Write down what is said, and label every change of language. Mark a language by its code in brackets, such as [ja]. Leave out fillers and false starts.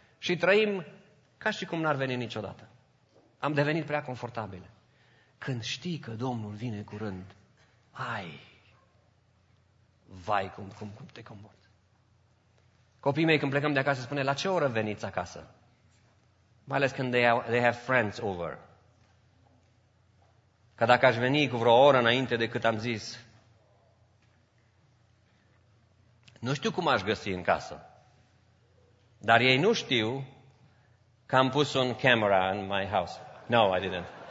[ro] Și trăim ca și cum n-ar veni niciodată. Am devenit prea confortabil. Când știi că Domnul vine curând, ai... Vai, cum te comport. Copiii mei când plecăm de acasă spune, la ce oră veniți acasă? Mai ales când [en] they have friends over. [ro] Că dacă aș veni cu vreo oră înainte de cât am zis, nu știu cum aș găsi în casă. Dar ei nu știu că am pus un [en] camera in my house. No, I didn't.